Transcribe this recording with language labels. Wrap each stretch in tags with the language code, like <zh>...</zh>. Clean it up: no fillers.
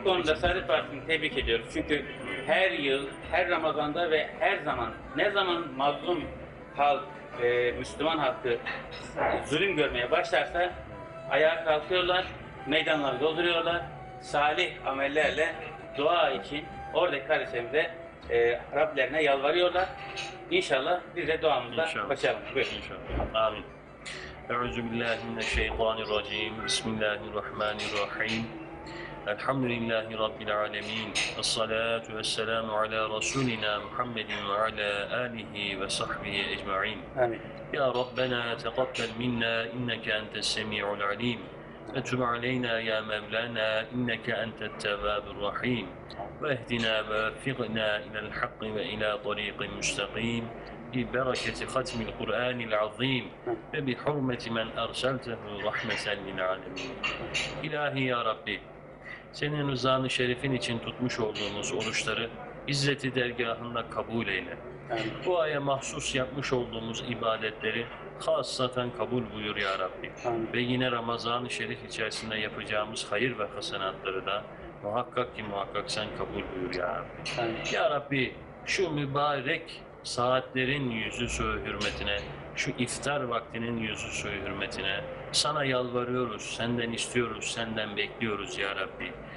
<tr>bu konuda Saadet Partisi'ni tebrik ediyoruz. Çünkü her yıl, her Ramazan'da ve her zaman, ne zaman mazlum halk, Müslüman halkı zulüm görmeye başlarsa ayağa kalkıyorlar, meydanları dolduruyorlar, salih amellerle dua için oradaki kardeşlerimize Rablerine yalvarıyorlar. İnşallah biz de duamızla başaralım. İnşallah. Amin.</tr> <ar>أعوذ بالله من الشيطان الرجيم بسم الله الرحمن الرحيم الحمد لله رب العالمين الصلاة والسلام على رسولنا محمد وعلى آله وصحبه أجمعين يا ربنا تقبل منا إنك أنت السميع العليم أتب علينا يا مولانا إنك أنت التواب الرحيم واهدنا ووفقنا إلى الحق وإلى طريق مستقيم ببركة ختم القرآن العظيم وبحرمة من أرسلته رحمة للعالمين إلهي يا ربي</ar> <tr>senin rızanı şerifin için tutmuş olduğumuz oruçları izzeti dergahında kabul eyle. Bu aya mahsus yapmış olduğumuz ibadetleri hasaten kabul buyur ya Rabbi. Ve yine Ramazan-ı Şerif içerisinde yapacağımız hayır ve hasenatları da muhakkak ki muhakkak sen kabul buyur ya Rabbi. Ya Rabbi şu mübarek saatlerin yüzü suyu hürmetine, şu iftar vaktinin yüzü suyu hürmetine sana yalvarıyoruz, senden istiyoruz, senden bekliyoruz ya Rabbi.</tr>